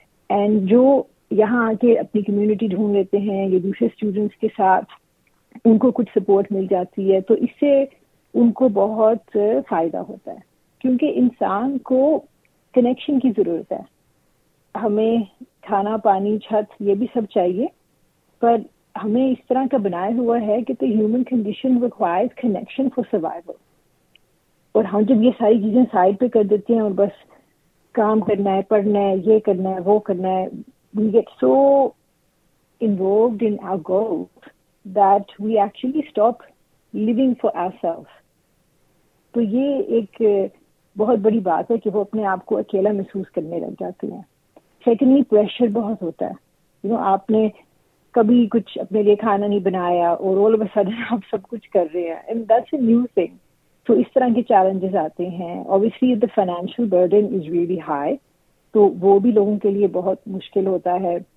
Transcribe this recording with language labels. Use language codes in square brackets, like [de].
[ur] And جو یہاں آ کے اپنی کمیونٹی ڈھونڈ لیتے ہیں، یا دوسرے اسٹوڈنٹس کے ساتھ ان کو کچھ سپورٹ مل جاتی ہے، تو اس سے ان کو بہت فائدہ ہوتا ہے، کیونکہ انسان کو کنیکشن کی ضرورت ہے۔ ہمیں کھانا، پانی، چھت، یہ بھی سب چاہیے، پر ہمیں اس طرح کا بنایا ہوا ہے کہ [en] the human condition requires connection for survival, [ur] اور ہم جب یہ ساری چیزیں سائڈ پہ کر دیتے ہیں اور بس کام کرنا ہے، پڑھنا ہے، یہ کرنا ہے، وہ کرنا ہے، [en] we get so involved in our goals that we actually stop living for ourselves. [ur] تو یہ ایک بہت بڑی بات ہے کہ وہ اپنے آپ کو اکیلا محسوس کرنے لگ جاتے ہیں. سیکنڈلی پریشر بہت ہوتا ہے. یو نو آپ نے کبھی کچھ اپنے لیے کھانا نہیں بنایا اور [en] all of a sudden [ur] آپ سب کچھ کر رہے ہیں, [en] And that's a new thing. [ur] تو اس طرح کے چیلنجز آتے ہیں. [en] obviously the financial burden is really high, [ur] تو وہ بھی لوگوں کے لیے بہت مشکل ہوتا ہے.